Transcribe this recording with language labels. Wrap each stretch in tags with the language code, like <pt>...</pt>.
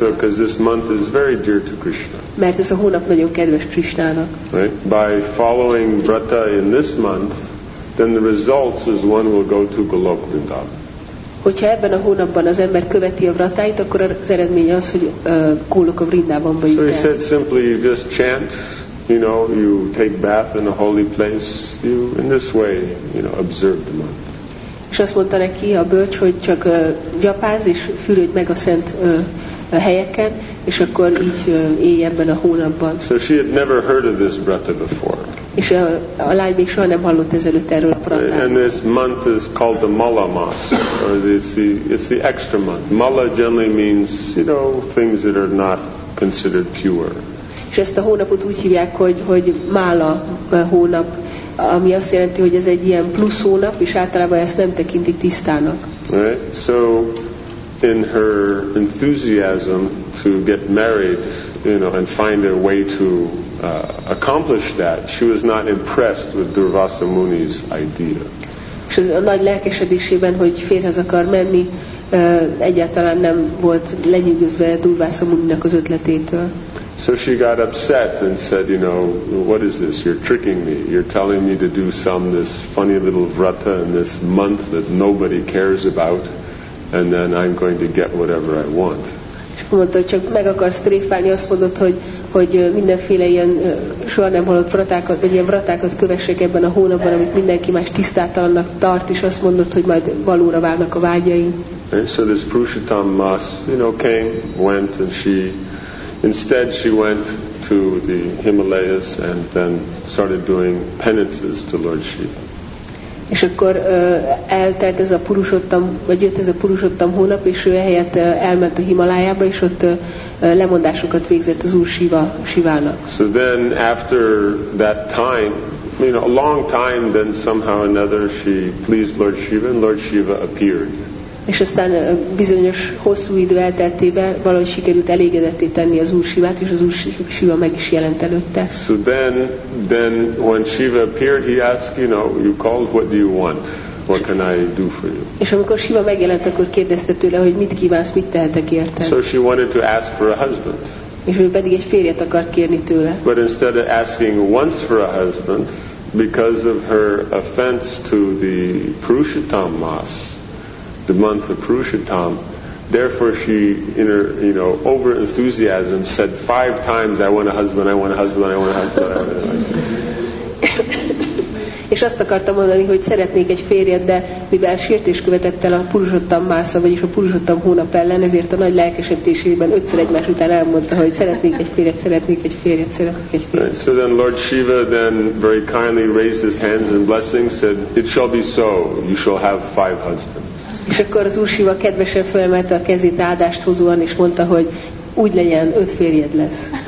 <en>So, because this month is very dear to Krishna.</en> <hu>Mert ez a hónap nagyon kedves Krishnának.</hu> <en>Right? By following Vrata in this month, then the results is one will go to Golok Vrindavan.</en> <hu>Hogyha ebben a hónapban az ember követi a Vratáit, akkor az eredménye az, hogy Golok Vrindavanba jut el.</hu> <en>So he said simply, you just chant, you know, you take bath in a holy place, you in this way, you know, observe the month.</en> <hu>És azt mondta neki a bölcs, hogy csak gyapáz és fürödj meg a szent helyeken, és akkor így élj ebben a hónapban.</hu> <en>So she had never heard of this Vrata before.</en> <hu>És a lány még soha nem hallott ezelőtt erről a Vratáról.</hu> <en>And this month is called the Mala Mas, or it's the extra month. Mala generally means, you know, things that are not considered pure.</en> <hu>És ezt a hónapot úgy hívják, hogy Mala hónap, ami azt jelenti, hogy ez egy ilyen plusz hónap, és általában ezt nem tekintik tisztának.</hu> <en>Right. So, in her enthusiasm to get married, you know, and find a way to accomplish that, she was not impressed with Durvasa Muni's idea.</en> <hu>És a nagy lelkesedésében, hogy férhez akar menni, egyáltalán nem volt lenyűgözve Durvasa Muninak az ötletétől.</hu> <en>So she got upset and said, you know, what is this? You're tricking me. You're telling me to do this funny little vrata in this month that nobody cares about, and then I'm going to get whatever I want.</en> <hu>És mondta, csak meg akarsz tréfálni, azt mondod, hogy mindenféle ilyen soha nem hallott vratákat, vagy ilyen vratákat kövessek ebben a hónapban, amit mindenki más tisztátalannak tart, és azt mondod, hogy majd valóra válnak a vágyaim.</hu> <en>And so this Purushottam Mas, you know, came, went, and she... Instead, she went to the Himalayas and then started doing penances to Lord Shiva.</en> <hu>És akkor eltelt ez a Purushottam, vagy jött ez a Purushottam hónap, és ő ehelyett elment a Himalájába, és ott lemondásokat végzett az Úr Shivának.</hu> <en>So then, after that time, you know, a long time, then somehow another, she pleased Lord Shiva, and Lord Shiva appeared.</en> <hu>És aztán bizonyos hosszú idő elteltével valahogy sikerült elégedetté tenni az Úr Sivát, és az Úr Siva meg is jelent előtte.</hu> <en>So then when Shiva appeared, he asked, you know, you called, what do you want? What can I do for you?</en> <hu>És amikor Shiva megjelent, akkor kérdezte tőle, hogy mit kívánsz, mit tehetek érte.</hu> <en>So she wanted to ask for a husband.</en> <hu>És ő pedig egy férjet akart kérni tőle.</hu> <en>But instead of asking once for a husband, because of her offense to the Purushottam Mas, the month of Purushottam, therefore she, in her, you know, over enthusiasm, said 5 times, I want a husband, I want a husband, I want a husband.</en> <hu>És azt akartam mondani, hogy szeretnék egy férjet, de mivel sértés követett el a Purushottam Mása, vagyis a Purushottam hónap ellen, ezért a nagy lelkesedésében 5-szer egymás után elmondta, hogy szeretnék egy férjet.</hu> <en>Right. So then Lord Shiva then very kindly raised his hands in blessing, said, it shall be so, you shall have 5 husbands.</en> <hu>És akkor az Úr Shiva kedvesen felemelte a kezét áldást hozóan, és mondta, hogy úgy legyen, 5 férjed lesz.</hu>